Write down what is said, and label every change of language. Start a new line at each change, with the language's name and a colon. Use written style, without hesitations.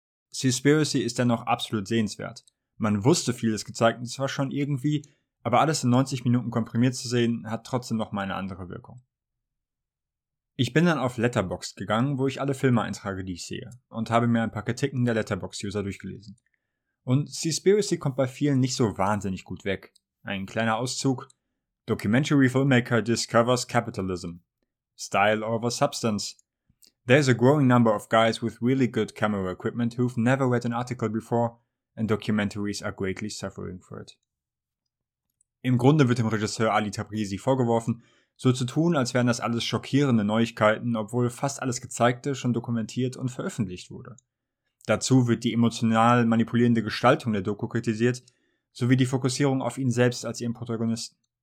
German: Seaspiracy ist dennoch absolut sehenswert. Man wusste vieles gezeigt und zwar schon irgendwie, aber alles in 90 Minuten komprimiert zu sehen, hat trotzdem noch mal eine andere Wirkung. Ich bin dann auf Letterboxd gegangen, wo ich alle Filme eintrage, die ich sehe, und habe mir ein paar Kritiken der Letterboxd-User durchgelesen. Und Seaspiracy kommt bei vielen nicht so wahnsinnig gut weg. Ein kleiner Auszug.
English: Documentary filmmaker discovers capitalism. Style over substance. There's a growing number of guys with really good camera equipment who've never read an article before and documentaries are greatly suffering for it.
German: Im Grunde wird dem Regisseur Ali Tabrizi vorgeworfen, so zu tun, als wären das alles schockierende Neuigkeiten, obwohl fast alles Gezeigte schon dokumentiert und veröffentlicht wurde. Dazu wird die emotional manipulierende Gestaltung der Doku kritisiert, sowie die Fokussierung auf ihn selbst als ihren Protagonisten.